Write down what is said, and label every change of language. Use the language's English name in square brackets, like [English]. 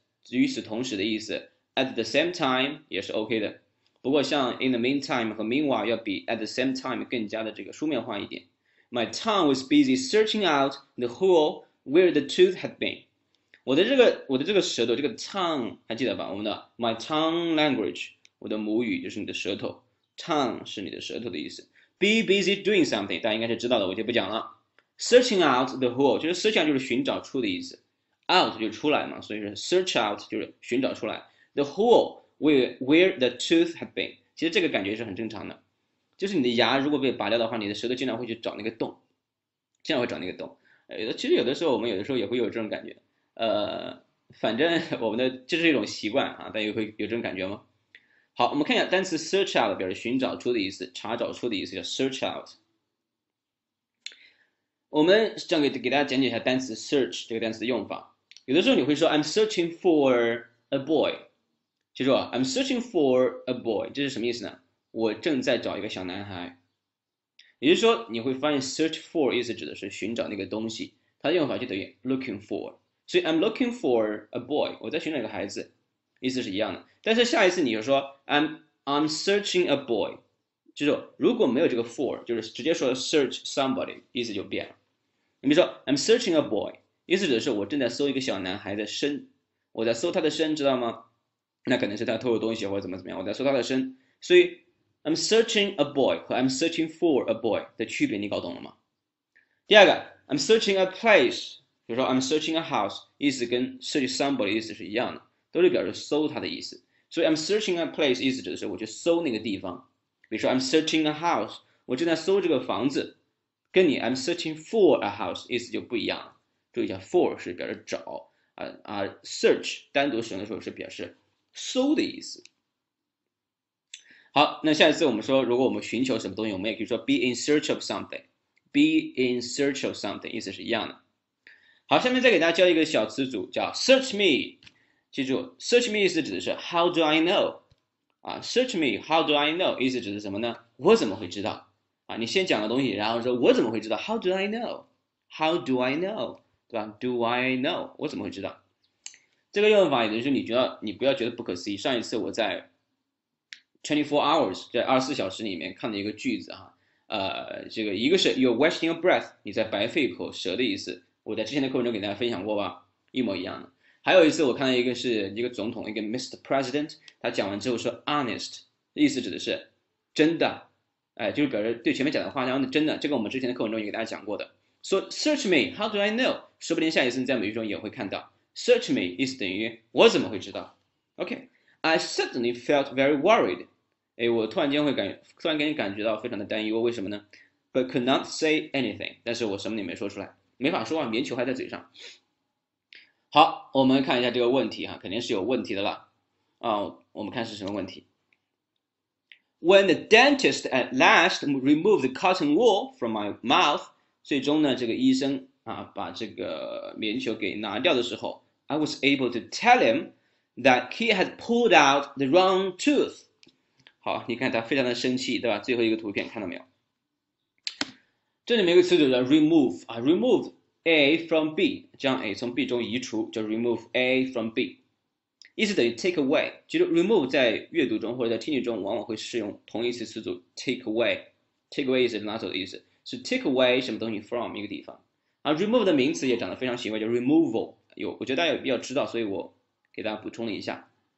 [Chinese] 与此同时的意思， [English] at the same time [Chinese] 也是 OK 的。不过像 [English] in the meantime [Chinese] 和 meanwhile 要比 [English] at the same time [Chinese] 更加的这个书面化一点。 [English] My tongue was busy searching out the hole where the tooth had been。 [Chinese] 我的这个舌头，这个 tongue 还记得吧？我们的 [English] my tongue language， [Chinese] 我的母语就是你的舌头，tongue 是你的舌头的意思。 [English] Be busy doing something， [Chinese] 大家应该是知道的，我就不讲了。 [English] Searching out the hole， [Chinese] 就是 search 就是寻找出的意思。 Out 就出来嘛，所以说 search out 就是寻找出来。 [English] The hole where the tooth had been， [Chinese] 其实这个感觉是很正常的，就是你的牙如果被拔掉的话，你的舌头经常会去找那个洞，经常会找那个洞。其实有的时候我们有的时候也会有这种感觉，反正我们的这是一种习惯啊，大家会有这种感觉吗？好，我们看一下单词 search out 表示寻找出的意思，查找出的意思叫 search out。我们想给大家讲解一下单词 search 这个单词的用法。有的时候你会说 [English] "I'm searching for a boy"， [Chinese] 记住啊，"I'm searching for a boy"，这是什么意思呢？我正在找一个小男孩。也就是说，你会发现 "search for" 意思指的是寻找那个东西，它的用法就等于 "looking for"。所以 [English] "I'm looking for a boy"， [Chinese] 我在寻找一个孩子，意思是一样的。但是下一次你就说 [English] "I'm searching a boy"， [Chinese] 记住，如果没有这个 "for"，就是直接说 "search somebody"，意思就变了。 [English] 你比如说 "I'm searching a boy"。 [Chinese] 意思指的是我正在搜一个小男孩的身，我在搜他的身，知道吗？那可能是他偷的东西或者怎么样，我在搜他的身。所以 [English] "I'm searching a boy" [Chinese] 和 [English] "I'm searching for a boy" [Chinese] 的区别你搞懂了吗？第二个 [English] "I'm searching a place"， [Chinese] 比如说 [English] "I'm searching a house"， [Chinese] 意思跟 "search somebody" 意思是一样的，都是表示搜他的意思。所以 [English] "I'm searching a place" [Chinese] 意思指的是我去搜那个地方。比如说 "I'm searching a house"，我正在搜这个房子，跟你 [English] "I'm searching for a house" [Chinese] 意思就不一样了。注意一下，for 是表示找，search 单独使用的时候是表示搜的意思。好，那下一次我们说，如果我们寻求什么东西，我们也可以说 [English] be in search of something， [Chinese] be in search of something 意思是一样的。好，下面再给大家教一个小词组，叫 search me。记住，search me 意思指的是 [English] how do I know？ search me，how do I know？ [Chinese] 意思指的是什么呢？我怎么会知道？你先讲个东西，然后说我怎么会知道？ [English] How do I know？How do I know？ [Chinese] 对吧？Do I know？ 我怎么会知道？这个用法，也就是你觉得你不要觉得不可思议。上一次我在 24 hours，在24小时里面看了一个句子哈，这个一个是 [English] you're wasting your breath， [Chinese] 你在白费口舌的意思。我在之前的课文中给大家分享过吧，一模一样的。还有一次我看到一个是一个总统，一个 Mr. President，他讲完之后说 honest，意思指的是真的，就是表示对前面讲的话，然后真的，这个我们之前的课文中也给大家讲过的。 [English] So search me, how do I know？ [Chinese] 说不定下一次你在美剧中也会看到 "search me" 意思等于我怎么会知道？ [English] OK，I suddenly felt very worried。 [Chinese] 哎，我突然给你感觉到非常的担忧，为什么呢？ [English] But could not say anything。 [Chinese] 但是我什么也没说出来，没法说话，棉球还在嘴上。好，我们看一下这个问题哈，肯定是有问题的了。我们看是什么问题。 [English] When the dentist at last removed the cotton wool from my mouth， [Chinese] 最终呢，这个医生把这个棉球给拿掉的时候， [English] I was able to tell him that he had pulled out the wrong tooth。 [Chinese] 好，你看他非常的生气，对吧？最后一个图片看到没有？这里面有个词组叫 remove 啊， [English] remove A from B， [Chinese] 将 A 从 B 中移除，叫 remove A from B，意思等于 take away。其实 remove 在阅读中或者在听力中，往往会使用同义词词组 take away。 take away 是拿走的意思，是 take away 什么东西 from 一个地方。啊，remove 的名词也长得非常奇怪，叫 removal。有，我觉得大家有必要知道，所以我给大家补充了一下。